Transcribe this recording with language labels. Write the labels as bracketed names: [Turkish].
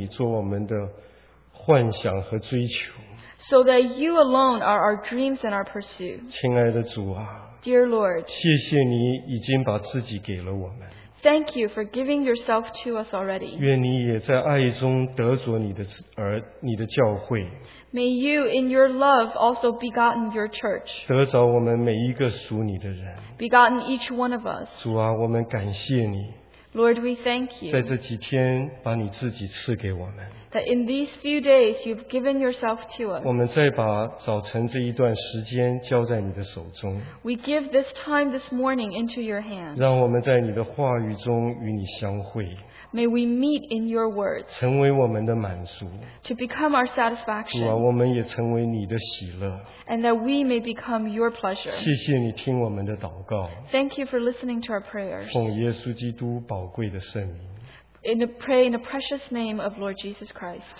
[Chinese] 好叫我们单单地以你做我们的幻想和追求。 [English] So that you alone are our dreams and our pursuit. [Chinese] 亲爱的主啊, [English] Dear Lord, [Chinese] 谢谢你已经把自己给了我们。 [English] Thank you for giving yourself to us already. [Chinese] 愿你也在爱中得着你的教会。 [English] May you in your love also begotten your church. [Chinese] 得着我们每一个属你的人。 [English] Begotten each one of us. [Chinese] 主啊, 我们感谢你。 [English] Lord, we thank you. [Chinese] 在这几天把你自己赐给我们。 [English] That in these few days you've given yourself to us. [Chinese] 我们再把早晨这一段时间交在你的手中。 [English] We give this time this morning into your hands. [Chinese] 让我们在你的话语中与你相会。 [English] May we meet in your words. [Chinese] 成为我们的满足。 [English] To become our satisfaction. [Chinese] 主啊, 我们也成为你的喜乐。 [English] And that we may become your pleasure. [Chinese] 谢谢你听我们的祷告。 [English] Thank you for listening to our prayers. [Chinese] 奉耶稣基督宝贵的圣名。 [English] In the precious name of Lord Jesus Christ.